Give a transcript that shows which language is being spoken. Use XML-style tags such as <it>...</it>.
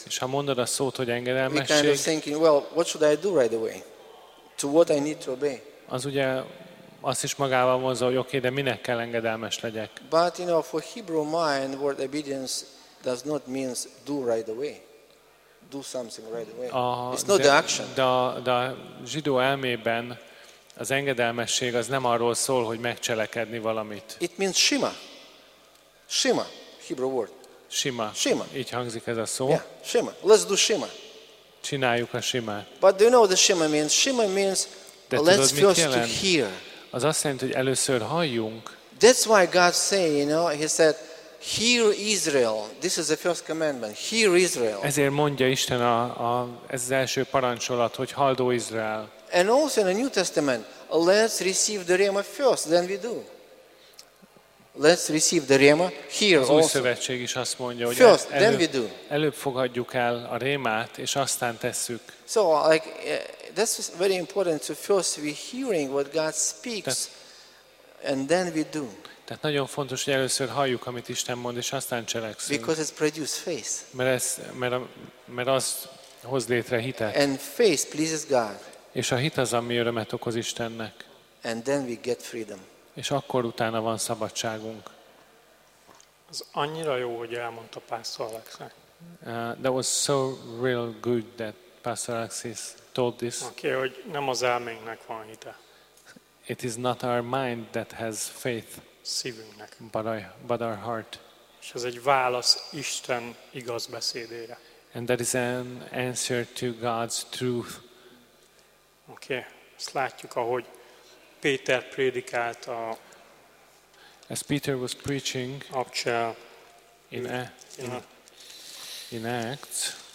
<hu>és ha mondod a szót, hogy engedelmesség,</hu> <en>we kind of thinking, well, what should I do right away? To what I need to obey?</en> <hu>Az ugye azt is magával vonza, hogy oké, de minek kell engedelmes legyek?</hu> <en>But you know, for Hebrew mind, word obedience does not mean do right away. Do something right away. It's not the action.</en> <hu>De a zsidó elmében az engedelmesség az nem arról szól, hogy megcselekedni valamit.</hu> <en>It means shima. Shima, Hebrew word.</en> <he>Shima. Shima.</he> <hu>Így hangzik ez a szó.</hu> <en>Yeah, shima. Let's do shima.</en> <hu>Csináljuk a simát.</hu> <en>But do you know what the shima means? Shima means let's first to hear.</en> <hu>Az azt jelenti, hogy először halljunk.</hu> <en>That's why God say, you know, he said, hear Israel. This is the first commandment. Hear Israel.</en> <hu>Ezért mondja Isten ez az első parancsolat, hogy halld, ó Izrael.</hu> <en>And also in the New Testament, let's receive the Rhema first, then we do. Let's receive the Rhema here also.</en> <hu>Az Új Szövetség is azt mondja, hogy</hu> <en>first, then we do.</en> <hu>Előbb fogadjuk el a Rhemát, és aztán tesszük.</hu> <en>So, like, that's very important to first be hearing what God speaks, and then we do.</en> <hu>Tehát nagyon fontos, hogy először halljuk, amit Isten mond, és aztán cselekszünk.</hu> <en>Because it's produced faith.</en> <hu>Mert az hoz létre hitet.</hu> <en>And faith pleases God.</en> <hu>És a hit az, ami örömet okoz Istennek.</hu> <en>And then we get freedom.</en> <hu>És akkor utána van szabadságunk. Az annyira jó, hogy elmondta Pastor Alexis.</hu> <en>That was so real good that Pastor Alexis told this.</en> <hu>Okay, hogy nem az elménknek van hite.</hu> <en>It is not our mind that has faith.</en> <hu>Szívünknek.</hu> <en>But our heart.</en> <hu>És ez egy válasz Isten igaz beszédére.</hu> <en>And that is an answer to God's truth.</en> <hu>Oké, ezt látjuk, ahogy Péter prédikált a</hu> <en>As Peter was preaching in Acts.</en>